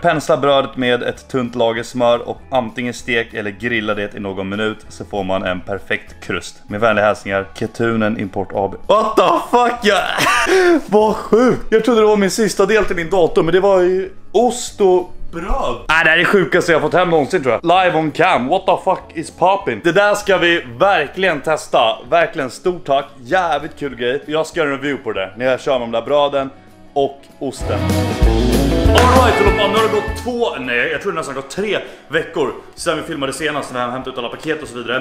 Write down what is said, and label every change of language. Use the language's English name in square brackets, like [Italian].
[Swedish] Pensla brödet med ett tunt lager smör och antingen stek eller grilla det i någon minut, så får man en perfekt krust. Med vänliga hälsningar, Ketunen Import AB. [English] What the fuck, [Swedish] jag... Vad sjukt. Jag trodde det var min sista del till min dator, men det var ju ost och bröd. Nej, det är det sjukaste jag har fått hem någonsin, tror jag. [English] Live on cam, what the fuck is popping? [Swedish] Det där ska vi verkligen testa. Verkligen, stort tack, jävligt kul grej. Jag ska göra en review på det när jag kör med de där bröden och osten. All right, nu har det gått tre veckor sedan vi filmade senast när vi hämtade ut alla paket och så vidare.